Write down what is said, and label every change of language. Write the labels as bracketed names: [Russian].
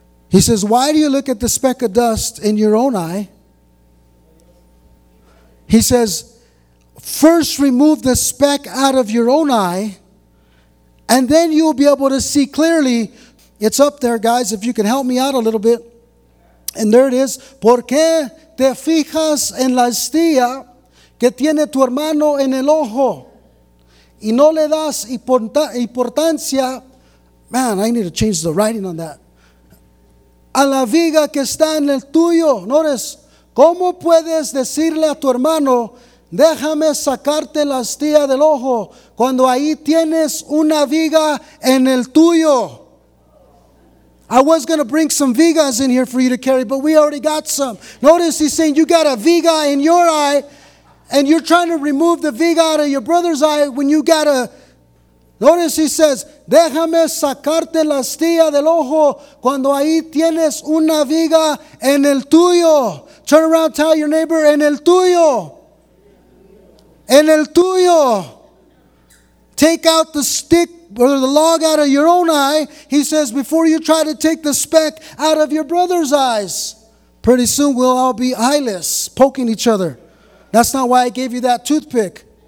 [English] He says, why do you look at the speck of dust in your own eye? He says, first, remove the speck out of your own eye, and then you'll be able to see clearly. It's up there, guys, if you can help me out a little bit. And there it is. [Spanish] ¿Por qué te fijas en la astilla que tiene tu hermano en el ojo? Y no le das importancia. [English] Man, I need to change the writing on that. [Spanish] A la viga que está en el tuyo. [English] Notice, [Spanish] ¿cómo puedes decirle a tu hermano, déjame sacarte la astilla del ojo cuando ahí tienes una viga en el tuyo? [English] I was going to bring some vigas in here for you to carry, but we already got some. Notice he's saying you got a viga in your eye and you're trying to remove the viga out of your brother's eye when you got a... Notice he says, [Spanish] déjame sacarte la astilla del ojo cuando ahí tienes una viga en el tuyo. [English] Turn around, tell your neighbor, [Spanish] en el tuyo. En el tuyo, [English] take out the stick or the log out of your own eye, he says, before you try to take the speck out of your brother's eyes. Pretty soon we'll all be eyeless, poking each other. That's not why I gave you that toothpick.